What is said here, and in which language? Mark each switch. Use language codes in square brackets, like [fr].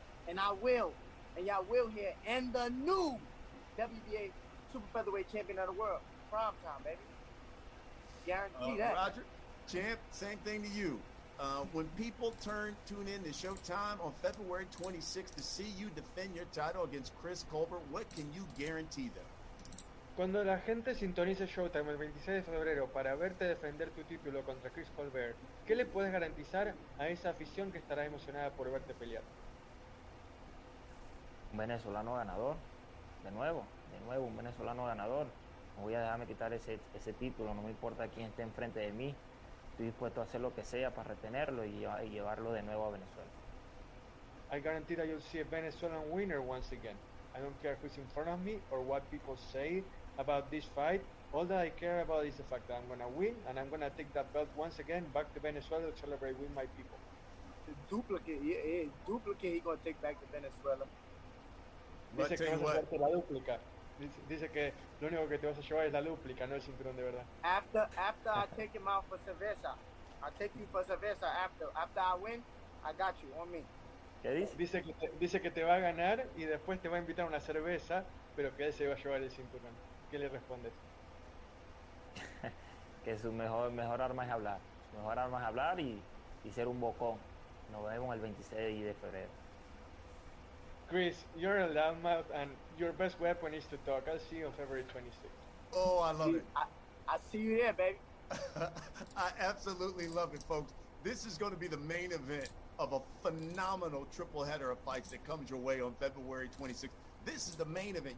[en] And I will. And y'all will hear. And the new WBA Super Featherweight Champion of the World. Prime time, baby. Guarantee that. Roger. Champ, same thing to you. When people tune in to Showtime on February 26th to see you defend your title against Chris Colbert, what can you guarantee them? [es] Cuando la gente sintonice Showtime el 26 de febrero para verte defender tu título contra Chris Colbert, ¿qué le puedes garantizar a esa afición que estará emocionada por verte pelear? Un venezolano ganador, de nuevo un venezolano ganador. No voy a dejarme quitar ese título, no me importa quién esté enfrente de mí. Estoy dispuesto a hacer lo que sea para retenerlo y llevarlo de nuevo a Venezuela. [en] I guarantee that you'll see a Venezuelan winner once again. I don't care who's in front of me or what people say about this fight. All that I care about is the fact that I'm going to win and I'm going to take that belt once again back to Venezuela to celebrate with my people. Duplicate, he's going to take back to Venezuela. [es] Dice que vas a darte la duplica. Dice que lo único que te vas a llevar es la lúplica, no el cinturón de verdad. [en] After I take him out for cerveza, I take you for cerveza after I win, I got you on me. [es] ¿Qué dice? Dice que te va a ganar y después te va a invitar a una cerveza, pero que él se va a llevar el cinturón. ¿Qué le respondes? Que su mejor arma es hablar. Su mejor arma es hablar y ser un bocón. Nos vemos el 26 de febrero. [en] Chris, you're a loudmouth, and your best weapon is to talk. I'll see you on February 26th. Oh, I love it. I'll see you there, baby. I absolutely love it, folks. This is going to be the main event of a phenomenal triple header of fights that comes your way on February 26th. This is the main event.